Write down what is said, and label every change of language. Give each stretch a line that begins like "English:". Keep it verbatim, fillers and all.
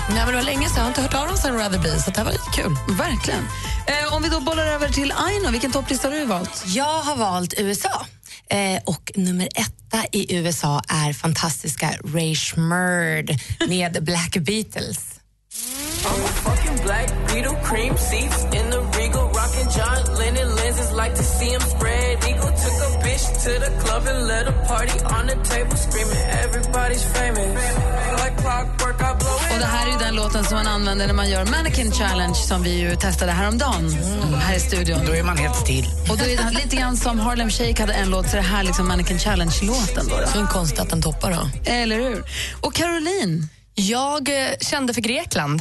Swedish: Nej, men det var länge sedan. Jag har inte hört av dem sedan Rutherby, så det här var lite kul. Verkligen. Eh, om vi då bollar över till Aino, vilken topplista har du valt? Jag har valt U S A. Eh, och nummer etta i U S A är fantastiska Ray Shmurd med Black Beatles.
English: I'm a fucking black beetle, cream seats in the regal, rockin' John Lennon lenses, like to see him spread eagle, took a bitch to the club and let a party on the table, screaming everybody's famous, like clockwork, I blow it.
Swedish: Och det här är ju den låten som man använder när man gör Mannequin Challenge som vi ju testade häromdagen mm. här i studion. Då är man helt still. Och då är det lite grann som Harlem Shake hade en låt, så det här liksom Mannequin Challenge-låten då. Så en konst att den toppar då. Eller hur? Och Caroline? Jag kände för Grekland.